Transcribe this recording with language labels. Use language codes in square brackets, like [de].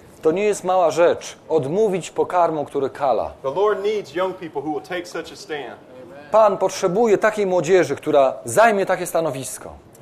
[pl] To nie jest mała rzecz odmówić pokarmu, który kala. [en] The Lord needs young people who will take such a stand. [pl] Pan potrzebuje takiej młodzieży, która zajmie takie stanowisko.